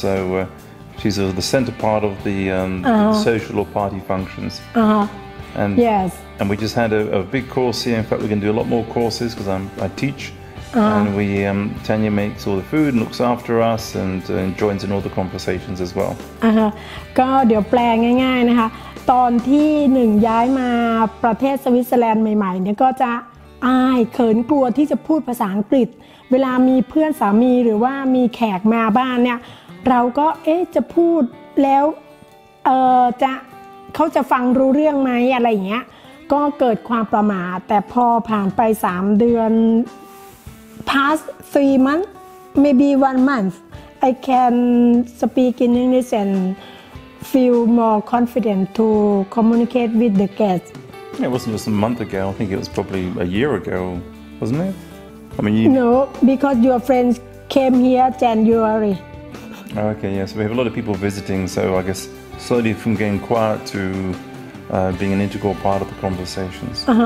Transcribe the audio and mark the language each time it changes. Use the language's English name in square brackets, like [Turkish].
[English] So she's the center part of the social or party functions. Uh-huh. And yes. And we just had a big course here. In fact, we're going to do a lot more courses because I teach, and we Tanya makes all the food and looks after us and joins in all the conversations as well. Uh-huh. [Thai] ก็เดี๋ยวแปลง่ายๆนะคะตอนที่หนึ่งย้ายมาประเทศสวิตเซอร์แลนด์ใหม่ๆเนี่ยก็จะอายเขินกลัวที่จะพูดภาษาอังกฤษเวลามีเพื่อนสามีหรือว่ามีแขกมาบ้านเนี่ยเราก็จะพูดแล้ว จะเขาจะฟังรู้เรื่องไหมอะไรอย่างเงี้ยก็เกิดความประหม่าแต่พอผ่านไป3เดือน [English] past 3 months maybe 1 month I can speak in English and feel more confident to communicate with the guest It wasn't just a month ago. I think it was probably a year ago, wasn't it? I mean, No, because your friends came here January. Okay, yes. We have a lot of people visiting, so I guess slowly from getting quiet to being an integral part of the conversations.